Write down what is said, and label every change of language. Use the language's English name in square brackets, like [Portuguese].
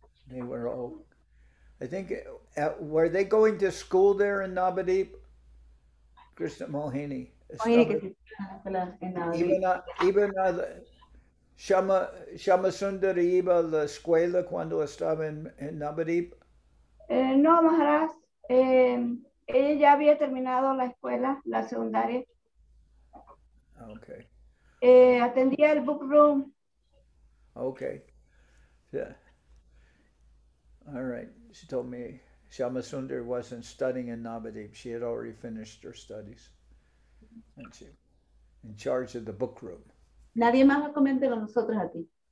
[English] They were all, I think, were they going to school there in Navadvip? Krishnamohini. [Spanish] Shyamasundari iba a la escuela cuando estaba en Navadvip? No, Maharaj. Ella ya había terminado la escuela, la secundaria. [English] Okay. [Spanish] Atendía el book room. [English] Okay. Yeah. All right. She told me Shyamasundari wasn't studying in Navadvip. She had already finished her studies. And she in charge of the book room. [Spanish] Nadie más va a comentar a nosotros aquí.